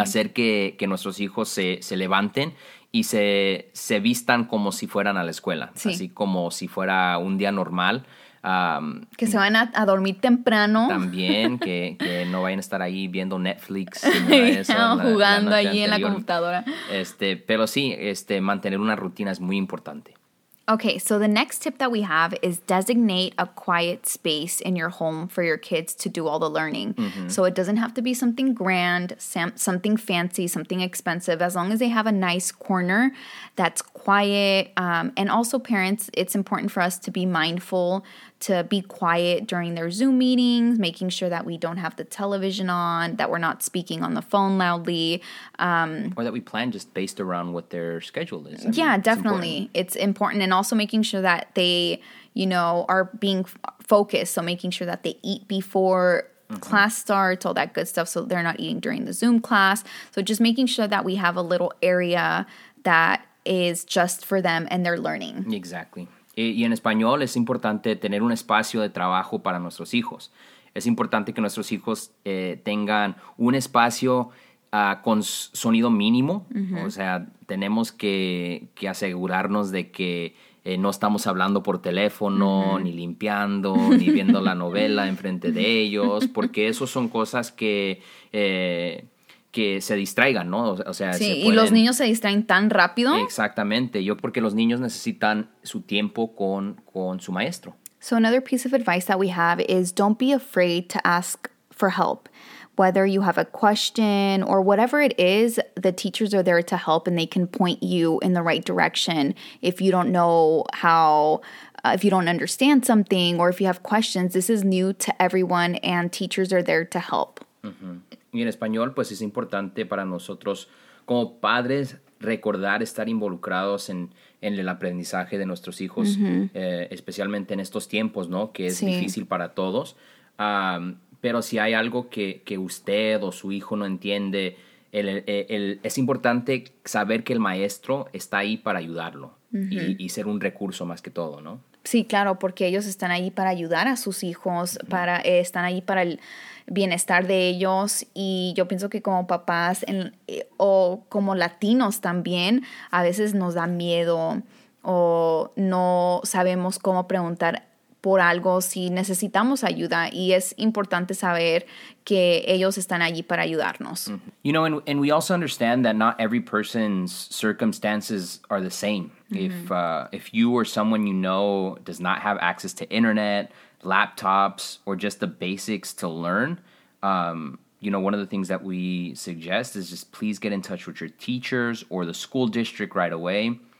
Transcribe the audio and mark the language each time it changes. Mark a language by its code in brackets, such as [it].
[es] Hacer que nuestros hijos se levanten y se vistan como si fueran a la escuela. Sí. Así como si fuera un día normal. Que se van a dormir temprano. También, que no vayan a estar ahí viendo Netflix. Jugando allí en la computadora. Pero sí, mantener una rutina es muy importante. [en] Okay, so the next tip that we have is designate a quiet space in your home for your kids to do all the learning. Mm-hmm. So it doesn't have to be something grand, something fancy, something expensive, as long as they have a nice corner that's quiet. And also parents, it's important for us to be mindful, to be quiet during their Zoom meetings, making sure that we don't have the television on, that we're not speaking on the phone loudly. Or that we plan just based around what their schedule is. Definitely. It's important. And also making sure that they, you know, are being focused. So making sure that they eat before class starts, all that good stuff. So they're not eating during the Zoom class. So just making sure that we have a little area that is just for them and their learning. Exactly. [es] Y en español es importante tener un espacio de trabajo para nuestros hijos. Es importante que nuestros hijos tengan un espacio con sonido mínimo. Mm-hmm. O sea, tenemos que asegurarnos de que no estamos hablando por teléfono, ni limpiando, ni viendo la novela enfrente de ellos, porque eso son cosas que se distraigan, ¿no? O sea, sí, y los niños se distraen tan rápido. Exactamente. Yo porque los niños necesitan su tiempo con su maestro. [en] So another piece of advice that we have is don't be afraid to ask for help. Whether you have a question or whatever it is, the teachers are there to help and they can point you in the right direction if you don't know how, if you don't understand something or if you have questions. This is new to everyone and teachers are there to help. Mm-hmm. [es] Y en español, pues es importante para nosotros como padres recordar estar involucrados en el aprendizaje de nuestros hijos, especialmente en estos tiempos, ¿no? Que es difícil para todos. Pero si hay algo que usted o su hijo no entiende, es importante saber que el maestro está ahí para ayudarlo y ser un recurso más que todo, ¿no? Sí, claro, porque ellos están ahí para ayudar a sus hijos, están ahí para el bienestar de ellos. Y yo pienso que como papás o como latinos también, a veces nos da miedo o no sabemos cómo preguntar por algo si necesitamos ayuda. Y es importante saber que ellos están allí para ayudarnos. Mm-hmm. [en] You know, and we also understand that not every person's circumstances are the same. If you or someone you know does not have access to internet, laptops, or just the basics to learn, you know, one of the things that we suggest is just please get in touch with your teachers or the school district right away.